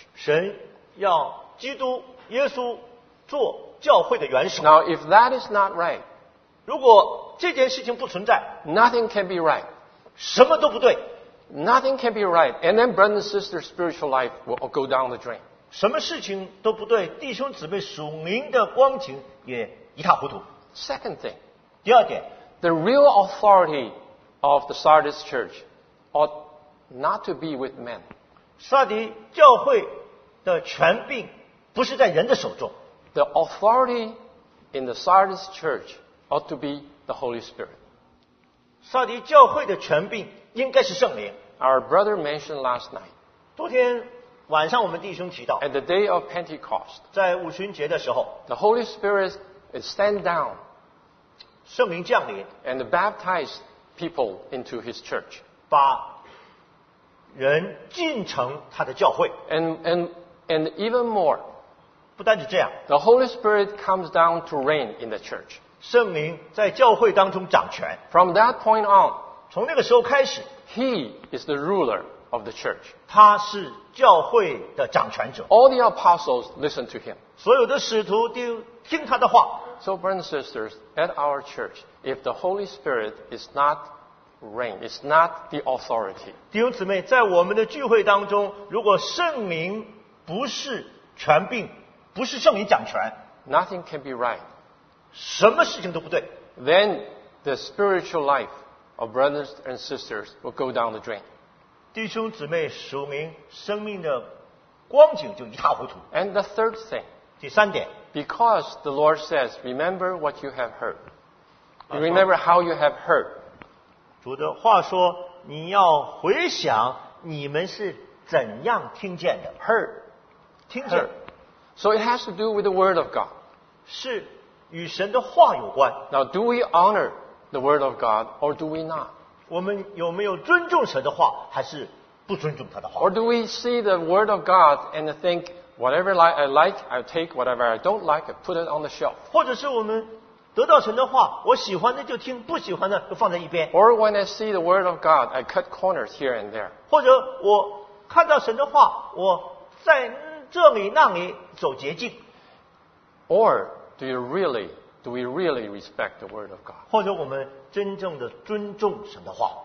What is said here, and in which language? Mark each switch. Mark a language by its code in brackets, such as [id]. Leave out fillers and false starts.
[zh] 神要基督耶稣做教会的元首。 [en] Now, if that is not right, [zh] 如果这件事情不存在， [en] nothing can be right. [zh] 什么都不对。 [en] Nothing can be right. And then brothers and sisters' spiritual life will go down the drain. [zh] 什么事情都不对，弟兄姊妹属灵的光景也一塌糊涂。 [en] Second thing. [zh] 第二点。 [en] The real authority of the Sardis Church ought not to be with men. [zh] 撒迪教会的权柄不是在人的手中。 [en] The authority in the Sardis Church ought to be the Holy Spirit. [zh] 撒迪教会的权柄应该是圣灵。 [en] Our brother mentioned last night. [zh] 昨天晚上我们弟兄提到。 [en] At the day of Pentecost. [zh] 在五旬节的时候。 [en] The Holy Spirit is sent down. [zh] 圣灵降临。 [en] And baptized people into his church. [zh] 把人进成他的教会。 [en] And even more. [zh] 不单是这样。 [en] The Holy Spirit comes down to reign in the church. [zh] 圣灵在教会当中掌权。 [en] From that point on, [zh] 从那个时候开始， [en] He is the ruler of the church. [zh] 他是教会的掌权者。 [en] All the apostles listen to him. [zh] 所有的使徒都听他的话。 [en] So, brothers and sisters, at our church, if the Holy Spirit is not reign. It's not the authority. [zh] 弟兄姊妹，在我们的聚会当中，如果圣灵不是权柄，不是圣灵掌权， [en] nothing can be right. [zh] 什么事情都不对。 [en] Then the spiritual life of brothers and sisters will go down the drain. [zh] 弟兄姊妹，属灵生命的光景就一塌糊涂。 [en] And the third thing. [zh] 第三点。 [en] Because the Lord says, remember what you have heard. Remember how you have heard. [zh] 主的话说，你要回想你们是怎样听见的。 [en] Heard. [zh] 听见。 [en] So it has to do with the word of God. [zh] 是与神的话有关。 [en] Now do we honor the word of God or do we not? [zh] 我们有没有尊重神的话还是不尊重他的话。 [en] Or do we see the word of God and think, whatever I like, I take, whatever I don't like, I put it on the shelf. [zh] 或者是我们得到神的话，我喜欢的就听，不喜欢的就放在一边。 [en] Or when I see the word of God, I cut corners here and there. [zh] 或者我看到神的话，我在这里那里走捷径。 [en] Or do we really respect the word of God? [zh] 或者我们真正的尊重神的话。